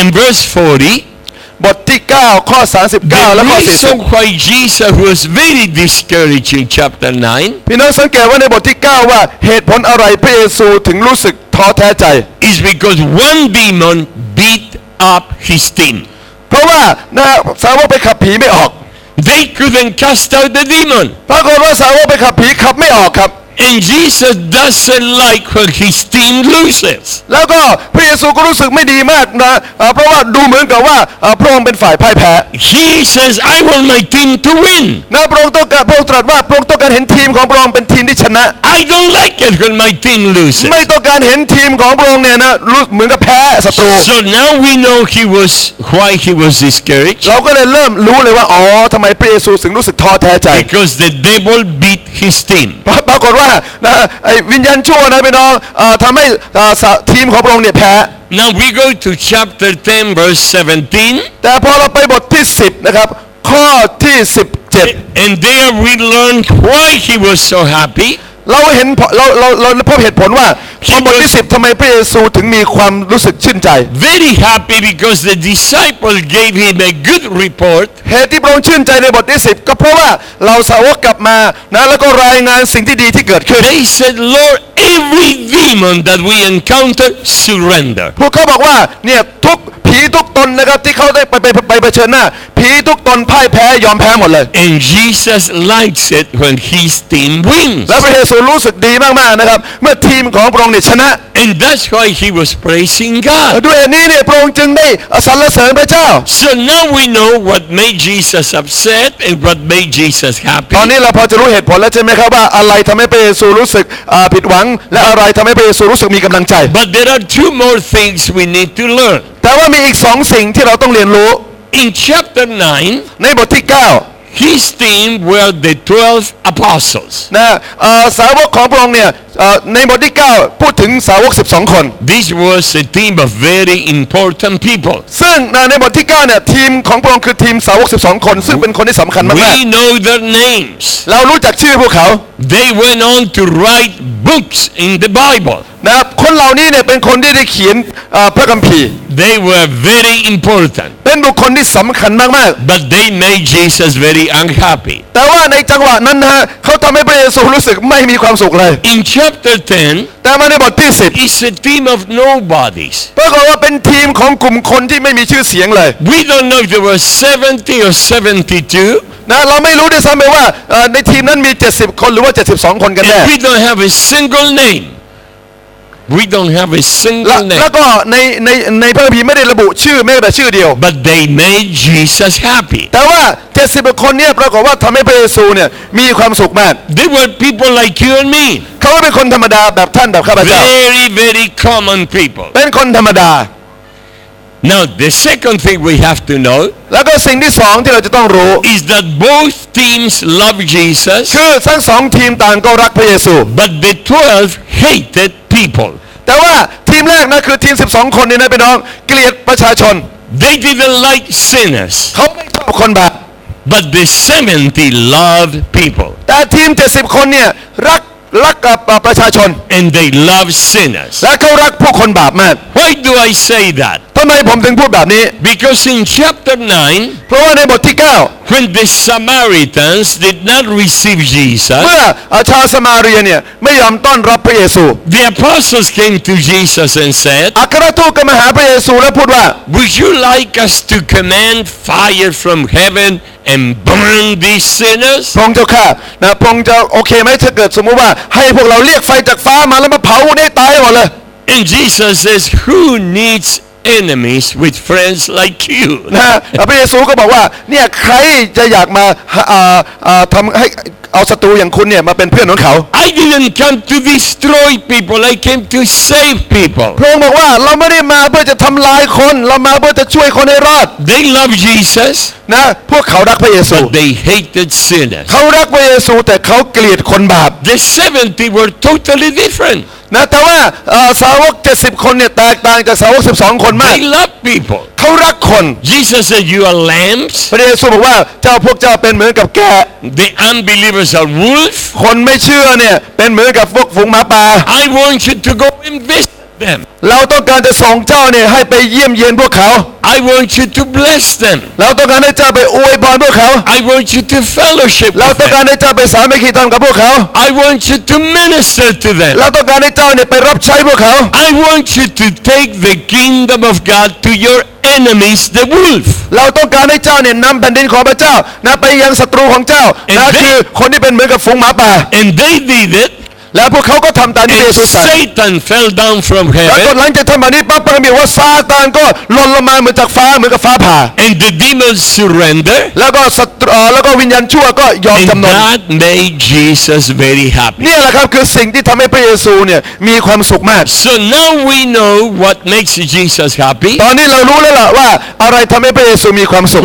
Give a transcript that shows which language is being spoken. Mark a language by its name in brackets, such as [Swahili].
[English] and verse 40, [Thai] บทที่9ข้อ39และข้อ40 [English] The reason why Jesus was very discouraged in chapter 9, [Thai] พี่น้องสังเกตว่าในบทที่9ว่าเหตุผลอะไรพระเยซูถึงรู้สึกท้อแท้ใจ [English] is because one demon beat up his team. [Thai] เพราะว่านะสาวกไปขับผีไม่ออก [English] They couldn't cast out the demon. [Thai] ปรากฏว่าสาวกไปขับผีขับไม่ออกครับ [English] And Jesus doesn't like when his team loses. [Thai] แล้วก็พระเยซูก็รู้สึกไม่ดีมากนะเพราะว่าดูเหมือนกับว่าพระองค์เป็นฝ่ายพ่ายแพ้ [English] He says, "I want my team to win." [Thai] นะพระองค์ต้องการพระองค์ตรัสว่าพระองค์ต้องการเห็นทีมของพระองค์เป็นทีมที่ชนะ [English] I don't like it when my team loses. [Thai] ไม่ต้องการเห็นทีมของพระองค์เนี่ยนะรู้เหมือนกับแพ้ศัตรู [English] So now we know why he was discouraged. [Thai] เราก็เลยเริ่มรู้เลยว่าอ๋อทำไมพระเยซูถึงรู้สึกท้อแท้ใจ [English] Because the devil beat his team. [Thai] ปรากฏว่านะไอ้วิญญาณชั่วนะพี่น้องทำให้ทีมของพระองค์เนี่ยแพ้ [English] Now we go to chapter 10 verse 17 [Thai] แต่พอเราไปบทที่10นะครับข้อที่17 [English] And there we learn why he was so happy [Thai] เราเห็นเราพบเหตุผลว่าพอบทที่10ทำไมพระเยซูถึงมีความรู้สึกชื่นใจ [English] Very happy because the disciple gave him a good report [Thai] เหตุที่พระองค์ชื่นใจในบทที่10ก็เพราะว่าเราสาวกกลับมานะแล้วก็รายงานสิ่งที่ดีที่เกิดขึ้น [English] They said Lord every demon that we encounter surrender [Thai] พวกเขาบอกว่าเนี่ยทุกผีทุกตนนะครับที่เขาได้ไปเผชิญหน้าผีทุกตนพ่ายแพ้ยอมแพ้หมดเลย [English] And Jesus likes it when his team wins [Thai] และพระเยซูรู้สึกดีมากๆนะครับเมื่อทีมของพระองค์เนี่ยชนะ [English] And that's why he was praising God [Thai] ด้วยนี้เนี่ยพระองค์จึงได้สรรเสริญพระเจ้า [English] So now we know what made Jesus upset and what made Jesus happy [Thai] ตอนนี้เราพอจะรู้เหตุผลแล้วใช่ไหมครับว่าอะไรทำให้พระเยซูรู้สึกผิดหวังและอะไรทำให้พระเยซูรู้สึกมีกำลังใจ [English] But there are two more things we need to learn [Thai] แต่ว่ามีอีกสองสิ่งที่เราต้องเรียนรู้ [English] In chapter 9, [Thai] ในบทที่ 9, [English] his team were the 12 apostles. [Thai] นะสาวกของพระองค์เนี่ยในบทที่ 9 พูดถึงสาวก12คน [English] This was a team of very important people. [Thai] ซึ่งในบทที่ 9 เนี่ยทีมของพระองค์คือทีมสาวก12คนซึ่งเป็นคนที่สำคัญมากๆ [English] We know their names. [Thai] เรารู้จักชื่อพวกเขา [English] They went on to write books in the Bible. [Thai] นะคนเหล่านี้เนี่ยเป็นคนที่ได้เขียนพระคัมภีร์ [English] They were very important. [Thai] เป็นบุคคลที่สำคัญมาก [English] ๆ But they made Jesus very unhappy. [Thai] แต่ว่าในจังหวะนั้นฮะเขาทำให้พระเยซูรู้สึกไม่มีความสุขเลย [English] In chapter 10, [Thai] แต่มาในบทที่ 10, [English] it's a team of nobodies. [Thai] ปรากฏว่าเป็นทีมของกลุ่มคนที่ไม่มีชื่อเสียงเลย [English] We don't know if there were 70 or 72. [Thai] นะเราไม่รู้ด้วยซ้ำไปว่าในทีมนั้นมี70คนหรือว่า72คนกันแน่ [English] We don't have a single name. We don't have a single name. [Thai] แล้วก็ในพระคัมภีร์ไม่ได้ระบุชื่อแม้แต่ชื่อเดียว [English] But they made Jesus happy. [Thai] แต่ว่า70คนเนี่ยปรากฏว่าทำให้พระเยซูเนี่ยมีความสุขมาก [English] They were people like you and me. [Thai] เขาเป็นคนธรรมดาแบบท่านแบบข้าพเจ้า [English] Very very common people. [Thai] เป็นคนธรรมดา [English] Now the second thing we have to know. [Thai] แล้วก็สิ่งที่สองที่เราจะต้องรู้ [English] Is that both teams love Jesus. [Thai] คือทั้งสองทีมต่างก็รักพระเยซู [English] But the 12 hatedPeople. [Thai] แต่ว่าทีมแรกนะคือทีม12คนนี่นะพี่น้องเกลียดประชาชน [English] They didn't like sinners [Thai] เขาไม่ชอบคนบาป [English] But the 70 loved people [Thai] แต่ทีม70คนเนี่ยรักประชาชน [English] And they love sinners [Thai] และเขารักพวกคนบาปมาก [English] Why do I say that [Thai] ทำไมผมถึงพูดแบบนี้ [English] Because in chapter 9 [Thai] เพราะว่าในบทที่ 9 [English] When the Samaritans did not receive Jesus [Thai] เมื่อชาวสมาเรียเนี่ยไม่ยอมต้อนรับพระเยซู [English] The apostles came to Jesus and said [Thai] อัครทูตก็มาหาพระเยซูแล้วพูดว่า [English] Would you like us to command fire from heavenAnd burn these sinners. [Thai] พงเจ้าข้านะพงเจ้าโอเคไหมถ้าเกิดสมมติว่าให้พวกเราเรียกไฟจากฟ้ามาแล้วมาเผาให้ตายหมดเลย [English] And Jesus says, "Who needs enemies with friends like you?" [Thai] นะพระเยซูก็บอกว่าเนี่ยใครจะอยากมาทำให้เอาศัตรูอย่างคุณเนี่ยมาเป็นเพื่อนของเขา [English] I didn't come to destroy people. I came to save people. [Thai] พระองค์บอกว่าเราไม่ได้มาเพื่อจะทำลายคนเรามาเพื่อจะช่วยคนให้รอด [English] They love Jesus. [Thai] นะพวกเขารักพระเยซู [English] But they hated sinners [Thai] เขารักพระเยซูแต่เขาเกลียดคนบาป [English] The 70 were totally different [Thai] นะแต่ว่าสาวก70คนเนี่ยแตกต่างจากสาวก12คนมาก [English] They love people [Thai] เขารักคน [English] Jesus said you are lambs [Thai] พระเยซูบอกว่าเจ้าพวกเจ้าเป็นเหมือนกับแกะ [English] The unbelievers are wolves [Thai] คนไม่เชื่อเนี่ยเป็นเหมือนกับพวกฝูงหมาป่า [English] I want you to go and visit them [Thai] เราต้องการจะส่งเจ้าเนี่ยให้ไปเยี่ยมเยียนพวกเขา [English] I want you to bless them. [Thai] เราต้องการให้เจ้าไปอวยพรพวกเขา [English] I want you to fellowship. [Thai] เราต้องการให้เจ้าไปสามัคคีธรรมกับพวกเขา [English] I want you to minister to them. [Thai] เราต้องการให้เจ้าเนี่ยไปรับใช้พวกเขา [English] I want you to take the kingdom of God to your enemies, the wolf. [Thai] เราต้องการให้เจ้าเนี่ยนำแผ่นดินของพระเจ้านะไปยังศัตรูของเจ้านะคือคนที่เป็นเหมือนกับฝูงหมาป่า [English] And they did it. [Thai] แล้วพวกเขาก็ทำตามที่พระเยซูสั่ง [English] Satan fell down from heaven [Thai] แล้วหลังจากทำแบบนี้ปั๊บพระคัมภีร์ว่าซาตานก็หล่นลงมาเหมือนจากฟ้าเหมือนกับฟ้าผ่า [English] And the demons surrender [Thai] แล้วก็วิญญาณชั่วก็ยอมจำนน [English] And that made Jesus very happy [Thai] นี่แหละครับคือสิ่งที่ทำให้พระเยซูเนี่ยมีความสุขมาก [English] So now we know what makes Jesus happy [Thai] ตอนนี้เรารู้แล้วล่ะว่าอะไรทำให้พระเยซูมีความสุข